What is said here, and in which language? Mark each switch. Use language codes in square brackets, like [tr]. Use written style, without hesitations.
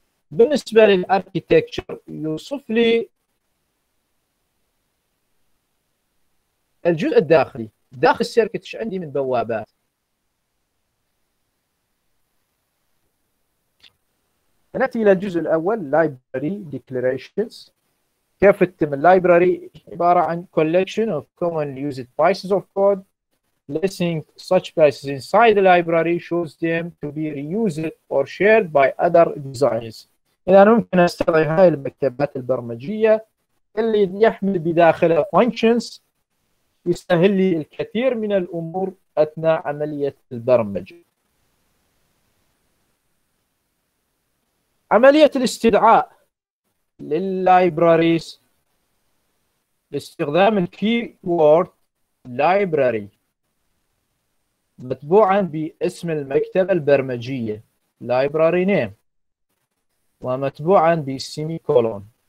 [ar] بالنسبة للأركيتكتشر يوصف لي الجزء الداخلي داخل السيركت، ايش عندي من بوابات. ناتي الى الجزء الاول library declarations. كيف تتم library؟ عبارة عن collection of commonly used pieces of code. [en] Placing such pieces inside the library shows them to be reused or shared by other designers. [ar] إذا ممكن أستضع هاي المكتبات البرمجية اللي يحمل بداخلها functions يسهل لي الكثير من الأمور أثناء عملية البرمجة. عملية الاستدعاء للLibraries باستخدام الكيورد Library مطبوعا باسم المكتبة البرمجية Library Name ومطبوعا بسيميكولون.